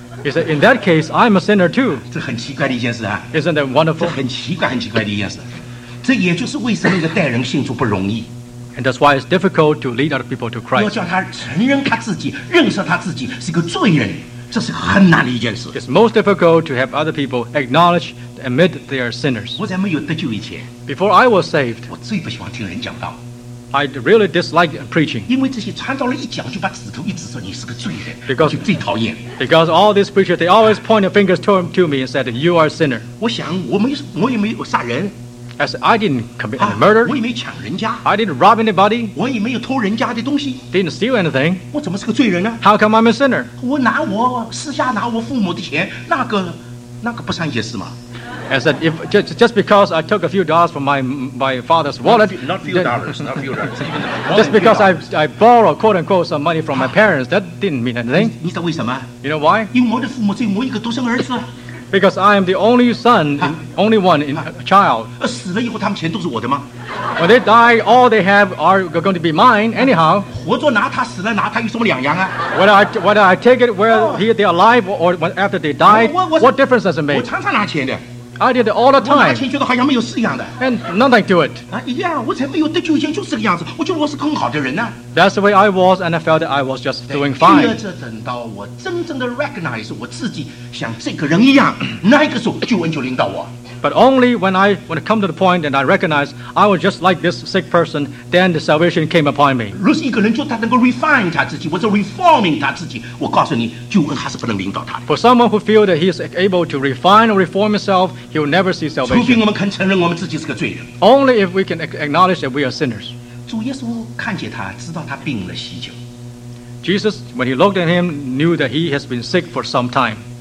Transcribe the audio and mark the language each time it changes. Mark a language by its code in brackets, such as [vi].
[en] He said, in that case, I'm a sinner too. [zh] 这很奇怪的一件事啊。 [en] Isn't that wonderful? [zh] 这很奇怪很奇怪的一件事。 这也就是为什么一个待人信徒不容易。 [en] And that's why it's difficult to lead other people to Christ. [zh] 要叫他承认他自己，认识他自己是个罪人，这是很难的一件事。 [en] It's most difficult to have other people acknowledge, admit they are sinners. [zh] 我在没有得救以前, [en] Before I was saved, [zh] 我最不喜欢听人讲道。 [en] I really dislike preaching. [zh] 因为这些传道人一讲就把指头一指说你是个罪人, [en] because all these preachers, they always point their fingers to me and said, you are a sinner. [zh] 我想我没有杀人。 [en] I said, I didn't commit any murder. [zh] 我也没抢人家, [en] I didn't rob anybody. [zh] 我也没有偷人家的东西, [en] didn't steal anything. [zh] 我怎么是个罪人呢? [en] How come I'm a sinner? 我拿我私下拿我父母的钱, 那个不算也是吗? I said, just because I took a few dollars from my father's wallet, not few dollars. Just because I borrowed, quote unquote, some money from my parents, that didn't mean anything. [zh] 你知道为什么? [en] You know why? [zh] 因为我的父母只有我一个独生儿子。 [en] Because I am the only son, only one in a child. [zh] 死了以后他们钱都是我的吗? [en] When they die, all they have are going to be mine anyhow. [zh] 活着拿他死了拿他有什么两样啊? [en] Whether I take it whether they're alive or after they die, what difference does it make? [zh] 我常常拿钱的。 [en] I did it all the time. [zh] 我拿钱觉得好像没有事一样的。 [en] And nothing to it. [zh] 我才没有得救以前就是这个样子，我觉得我是更好的人呢。 [en] That's the way I was, and I felt that I was just doing fine. [zh] 第二次等到我真正的 recognize 我自己像这个人一样，那个时候救恩就领导我。 [en] But only when I come to the point and I recognize I was just like this sick person, then the salvation came upon me. [zh] 如果一个人就他能够 refine 他自己，或者 reforming 他自己，我告诉你，救恩还是不能领导他的。 [en] For someone who feels that he is able to refine or reform himself, he will never see salvation. [zh] 除非我们肯承认我们自己是个罪人。Only [en] if we can acknowledge that we are sinners. [zh] 主耶稣看见他，知道他病了许久。 [en] Jesus, when he looked at him, knew that he has been sick for some time.